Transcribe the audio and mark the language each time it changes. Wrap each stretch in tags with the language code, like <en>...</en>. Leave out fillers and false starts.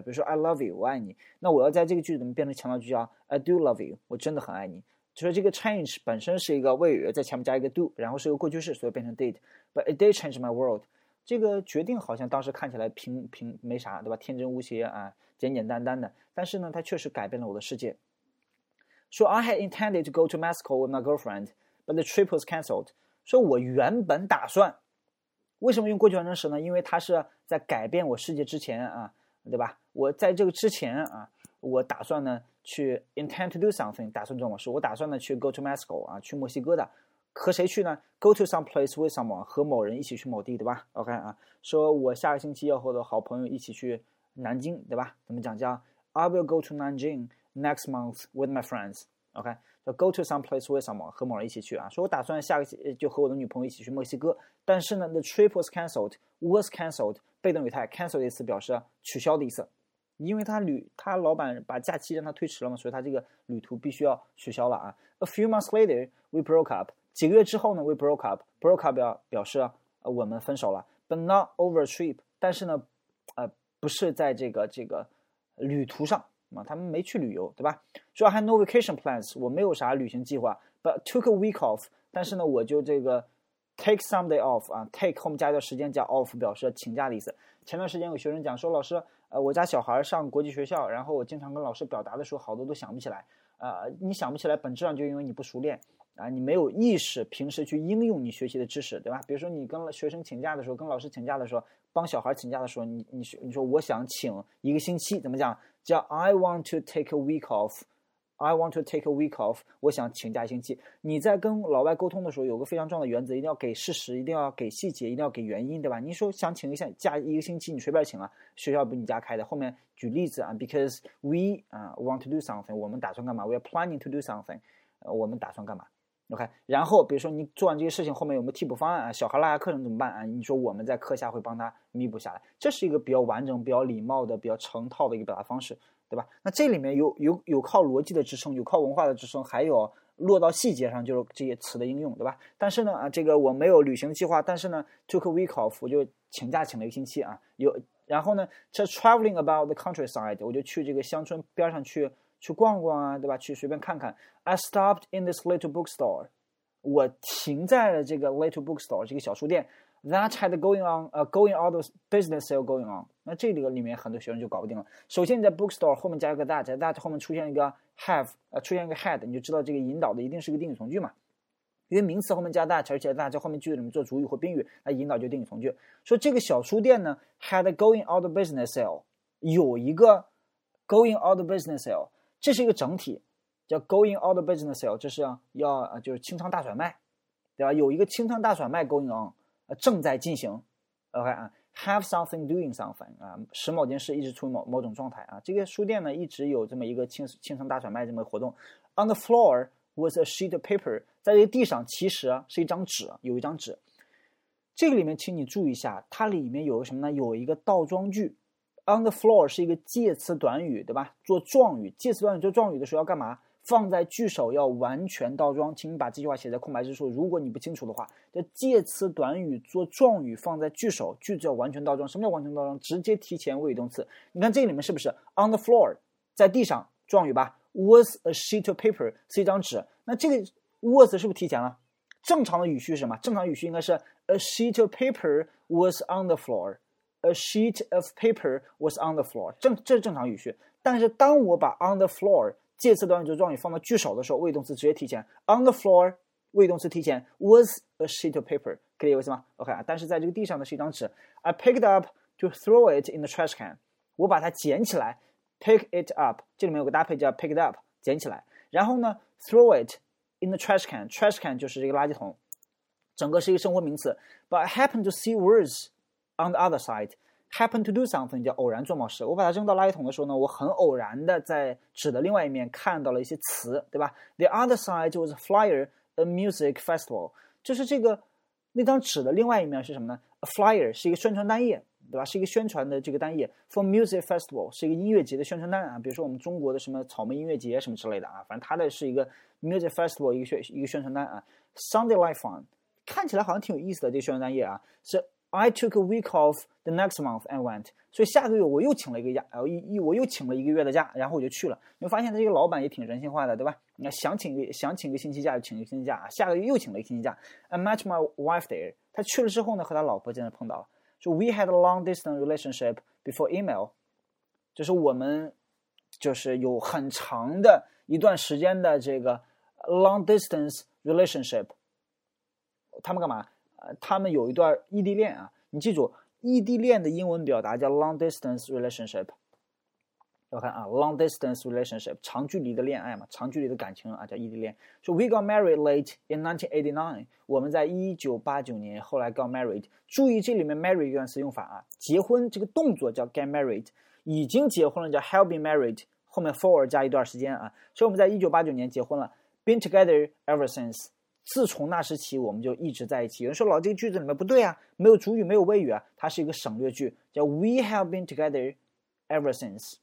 <zh>比如说</zh> <en>I love you，</en> <zh>我爱你。那我要在这个句子里面变成强调句啊 ，</zh> <en>I do love you，</en> <zh>我真的很爱你。就说这个 change 本身是一个谓语，在前面加一个 do， 然后是一个过去式，所以变成 did。</zh> <en>But it did change my world。</en> <zh>这个决定好像当时看起来平没啥，对吧？天真无邪啊，简简单单的。但是呢，它确实改变了我的世界。说</zh> <en>I had intended to go to Mexico with my girlfriend。 But the trip was canceled.</en> <zh>说我原本打算，为什么用过去完成时呢？因为它是在改变我世界之前啊，对吧？我在这个之前啊，我打算呢去 intend to do something， 打算做某事。我打算呢去 go to Mexico 啊，去墨西哥的，和谁去呢 ？</zh> <en>Go to some place with someone，</en> <zh>和某人一起去某地，对吧 ？OK 啊，说我下个星期要和我的好朋友一起去南京，对吧？怎么讲叫</zh> <en>I will go to Nanjing next month with my friends。OK。 Go to some place with someone，</en> <zh>和某人一起去啊。说我打算下个就和我的女朋友一起去墨西哥，但是呢 ，</zh> <en>the trip was canceled，</en> <zh>被动语态 ，cancel 的意思表示取消的意思，因为他老板把假期让他推迟了嘛，所以他这个旅途必须要取消了啊。</zh> <en>A few months later， we broke up。</en> <zh>几个月之后呢</zh> <en>，we broke up。broke up 表示我们分手了 ，but not over a trip。</en> <zh>但是呢，不是在这个旅途上嘛，他们没去旅游，对吧？主要还</zh> <en>no vacation plans，</en> <zh>我没有啥旅行计划，</zh> <en>but took a week off，</en> <zh>但是呢，我就这个</zh> <en>take some day off</en> <zh>啊，take 后面加个时间叫 off，表示请假的意思。前段时间有学生讲说，老师，我家小孩上国际学校，然后我经常跟老师表达的时候，好多都想不起来。你想不起来，本质上就因为你不熟练啊，你没有意识平时去应用你学习的知识，对吧？比如说你跟学生请假的时候，跟老师请假的时候，帮小孩请假的时候，你说我想请一个星期，怎么讲？</zh> <en>叫 I want to take a week off，I want to take a week off，</en> <zh>我想请假一星期。你在跟老外沟通的时候，有个非常重要的原则，一定要给事实，一定要给细节，一定要给原因，对吧？你说想请一下假一个星期，你随便请啊，学校比你家开的。后面举例子啊，</zh> <en>because we want to do something，</en> <zh>我们打算干嘛？</zh> <en>We are planning to do something，</en> <zh>我们打算干嘛？OK，然后比如说你做完这些事情，后面有没有替补方案啊？小孩落下课程怎么办啊？你说我们在课下会帮他弥补下来，这是一个比较完整、比较礼貌的、比较成套的一个表达方式，对吧？那这里面有靠逻辑的支撑，有靠文化的支撑，还有落到细节上就是这些词的应用，对吧？但是呢，啊，这个我没有旅行计划，但是呢，</zh> <en>took a week off，</en> <zh>我就请假请了一个星期啊。然后呢，这</zh> <en>traveling about the countryside，</en> <zh>我就去这个乡村边上去逛逛啊，对吧？去随便看看。</zh> <en>I stopped in this little bookstore，</en> <zh>我停在了这个</zh> <en>little bookstore</en> <zh>这个小书店。</zh> <en>That had going on，going all those business sale going on。</en> <zh>那这个里面很多学生就搞不定了。首先你在 bookstore 后面加一个 that 后面出现一个 have，出现一个 had，你就知道这个引导的一定是个定语从句嘛。因为名词后面加 that，而且 that 在后面句子里面做主语或宾语，那引导就定语从句。说这个小书店呢 had</zh> <en>going all the business sale，</en> <zh>有一个 going all the business sale，这是一个整体，叫 going all the business sale，这是要就是清仓大甩卖，对吧？有一个清仓大甩卖 going on。正在进行，OK 啊，</zh> <en>have something doing something</en> <zh>啊，使某件事一直处于某种状态啊。这个书店呢，一直有这么一个清仓大甩卖这么活动。</zh> <en>On the floor was a sheet of paper，</en> <zh>在这个地上其实是一张纸，有一张纸。这个里面，请你注意一下，它里面有什么呢？有一个倒装句。 On the floor 是一个介词短语，对吧？做状语，介词短语做状语的时候要干嘛？放在句首要完全倒装，请你把这句话写在空白之处。如果你不清楚的话，就介词短语做状语放在句首，句子要完全倒装。什么叫完全倒装？直接提前谓语动词。你看这里面是不是 on the floor 在地上状语吧？</zh> <en>Was a sheet of paper</en> <zh>是一张纸。那这个 was 是不是提前了？正常的语序是什么？正常语序应该是</zh> <en>a sheet of paper was on the floor。 A sheet of paper was on the floor。</en> <zh>这是正常语序。但是当我把 on the floor介词短语做状语放到句首的时候，谓语动词直接提前。 On the floor，谓语动词提前。</zh> <en>Was a sheet of paper，</en> <zh>可以理解吗？OK 啊，但是在这个地上的是一张纸。</zh> <en>I picked up to throw it in the trash can，</en> <zh>我把它捡起来。</zh> <en>Pick it up，</en> <zh>这里面有个搭配叫</zh> <en>pick it up，</en> <zh>捡起来。 然后呢，</zh> <en>throw it in the trash can。</en> <zh>Trash can 就是这个垃圾桶，整个是一个生活名词。</zh> <en>But I happened to see words on the other side。 Happen to do something</en> <zh>叫偶然做某事。我把它扔到垃圾桶的时候呢，我很偶然的在纸的另外一面看到了一些词，对吧？</zh> <en>The other side was a flyer, a music festival。</en> <zh>就是这个那张纸的另外一面是什么呢？A flyer 是一个宣传单页，对吧？是一个宣传的这个单页。</zh> <en>For music festival</en> <zh>是一个音乐节的宣传单啊，比如说我们中国的什么草莓音乐节什么之类的啊，反正它的是一个 music festival 一个宣传单啊。</zh> <en>Sounded like fun，</en> <zh>看起来好像挺有意思的这个宣传单页啊，是。</zh> <en>I took a week off the next month and went。</en> <zh>所以下个月我又请了一个假，我又请了一个月的假，然后我就去了。你会发现他这个老板也挺人性化的，对吧？你看想请一个星期假就请一个星期假啊，下个月又请了一个星期假。</zh> <en>I met my wife there。</en> <zh>他去了之后呢，和他老婆真的碰到了。</zh> <en>So we had a long distance relationship before email。</en> <zh>就是我们就是有很长的一段时间的这个 long distance relationship。他们干嘛？他们有一段异地恋啊，你记住，异地恋的英文表达叫 long distance relationship。要看啊 ，long distance relationship， 长距离的恋爱嘛，长距离的感情啊，叫异地恋。</zh> <en>So we got married late in 1989。</en> <zh>我们在1989年后来 got married。注意这里面 marry 这段词用法啊，结婚这个动作叫 get married， 已经结婚了叫 have been married， 后面 for 加一段时间啊。所以我们在1989年结婚了 ，</zh> <en>been together ever since。</en> <zh>自从那时起，我们就一直在一起。有人说，老，这个句子里面不对啊，没有主语，没有谓语啊，它是一个省略句，叫</zh> <en>"We have been together ever since."</en>